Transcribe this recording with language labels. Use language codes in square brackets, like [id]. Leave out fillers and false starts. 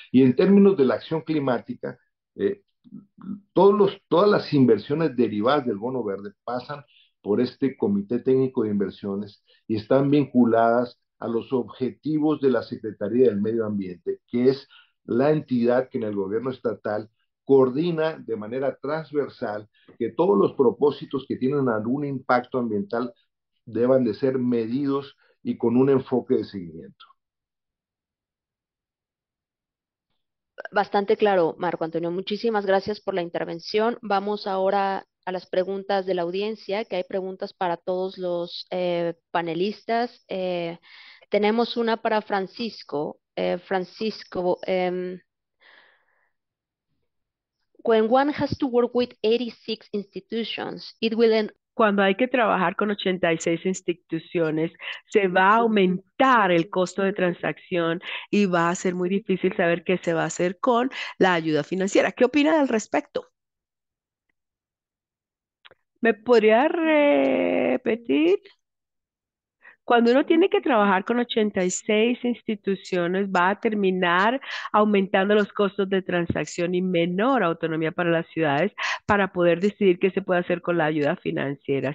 [es] Y en términos de la acción climática, todas las inversiones derivadas del bono verde pasan por este Comité Técnico de Inversiones y están vinculadas a los objetivos de la Secretaría del Medio Ambiente, que es la entidad que en el gobierno estatal coordina de manera transversal que todos los propósitos que tienen algún impacto ambiental deban de ser medidos y con un enfoque de seguimiento. Bastante claro, Marco Antonio. Muchísimas gracias por la intervención. Vamos ahora a las preguntas de la audiencia, que hay preguntas para todos los panelistas. Tenemos una para Francisco. [en] Francisco, when one has to work with 86 institutions, it will end. [es] Cuando hay que trabajar con 86 instituciones, se va a aumentar el costo de transacción y va a ser muy difícil saber qué se va a hacer con la ayuda financiera. ¿Qué opina al respecto? ¿Me podría repetir? Cuando uno tiene que trabajar con 86 instituciones, va a terminar aumentando los costos de transacción y menor autonomía para las ciudades para poder decidir qué se puede hacer con la ayuda financiera.